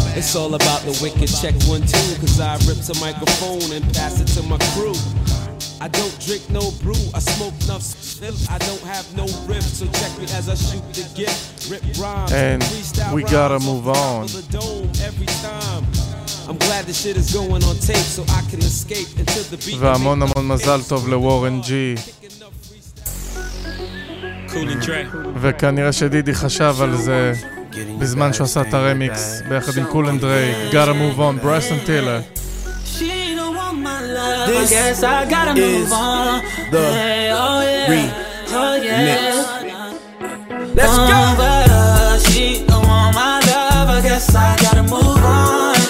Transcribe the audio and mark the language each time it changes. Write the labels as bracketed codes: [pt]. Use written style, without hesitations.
[en] It's all about the wicked. Check 1, 2. 'Cause I rip the microphone and pass it to my crew. I don't drink no brew, I smoke enough still. I don't have no rip, so check me as I shoot the gift. Rip rhymes and we gotta move on. The dome every time. I'm glad this shit is going on tape, so I can escape into the beat. [he] והמון המון מזל טוב לוורן ג'י. וכנראה שדידי חשב על זה בזמן שעשה את הרמיקס ביחד עם קול אנד דרי. [en] Gotta move on, ברייסון טילר. She don't want my love, I guess I gotta move on. The remix. Oh yeah, let's go. She don't want my love, I guess I gotta move on.